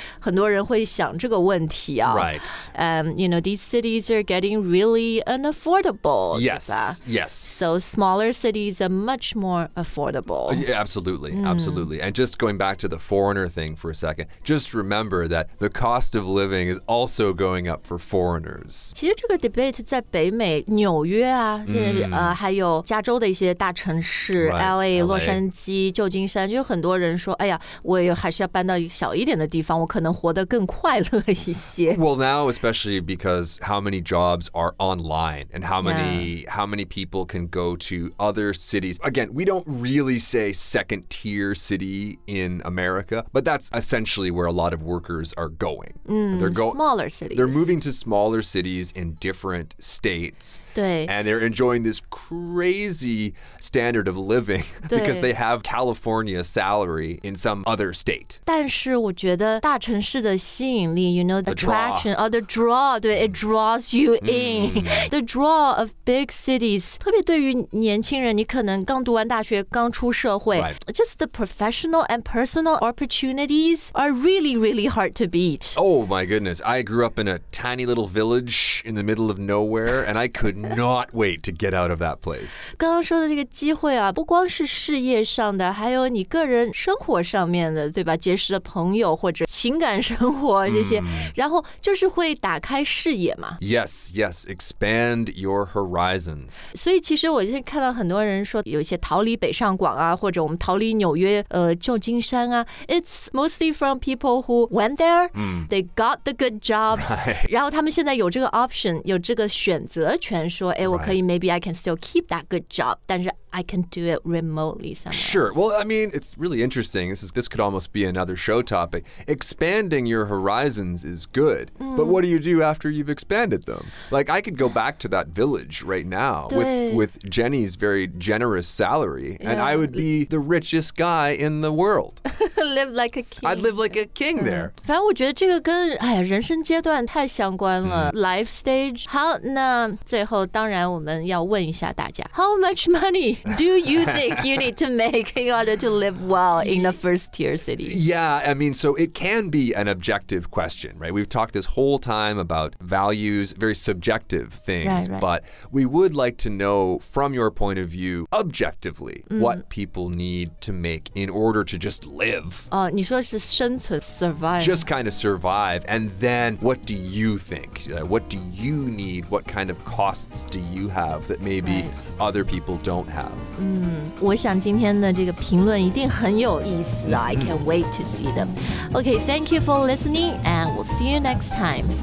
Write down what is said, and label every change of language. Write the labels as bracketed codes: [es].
[zh] 很多人会想这个问题啊。 [en] Right. You know, these cities are getting really unaffordable. Yes, yes. So smaller cities are much more affordable. Yeah, absolutely, absolutely. And just going back to the foreigner thing for a second, just remember that the cost of living is also going up for foreigners. [zh] 其实这个 debate 在北美纽约啊、还有加州的一些大城市 LA, 洛杉矶旧金山就很多人说哎呀我还是要搬到小一点的地方我可能活得更快乐一些。 [en] Well now, especially because how many jobs are online? And how many people can go to other cities? Again, we don't really say second tier city in America, but that's essentially where a lot of workers are going. Smaller cities. They're moving to smaller cities in different states. And they're enjoying this crazy standard of living because they have California salary in some other state. [zh] 但是我觉得大城市的吸引力, [en] you know, the attraction, Oh, the draw, [zh] 对, [en] it draws you in. The draw of big cities, [zh] 特别对于年轻人，你可能刚读完大学，刚出社会 [en] Just the professional and personal opportunities are really, really hard to beat. Oh my goodness. I grew up in a tiny little village in the middle of nowhere, and I could not wait to get out of that place. [zh] 刚刚说的这个机会啊，不光是事业上的，还有你个人生活上面的，对吧？结识的朋友或者情感生活这些，然后就是会打开视野嘛。 [en] Yes, yes, expand. And your horizons. [zh] 所以其实我现在看到很多人说有一些逃离北上广啊或者我们逃离纽约旧金山啊 [en] It's mostly from people who went there, they got the good jobs, right. [zh] 然后他们现在有这个 option, 有这个选择权说 right. 我可以 [en] maybe I can still keep that good job, [zh] 但是 [en] I can do it remotely somewhere. Sure. Well, I mean, it's really interesting. This could almost be another show topic. Expanding your horizons is good, but what do you do after you've expanded them? Like, I could go back to that village right now with Jenny's very generous salary, and I would be the richest guy in the world. Live like a king. I'd live like a king there. [zh] 反正我觉得这个跟人生阶段太相关了。 [en] Mm-hmm. Life stage. [zh] 好，那最后当然我们要问一下大家 [en] ，How much money do you think you need to make in order to live well in a first-tier city? Yeah, I mean, so it can be an objective question, right? We've talked this whole time about values, very subjective things, right, right. But we would like to know from your point of view, objectively, what people need to make in order to just live. [zh] 你说是生存 [en] survive. Just kind of survive. And then what do you think? What do you need? What kind of costs do you have that maybe other people don't have? [zh] 我想今天的这个评论一定很有意思。 [en] I can't wait to see them. Okay, thank you for listening, and we'll see you next time.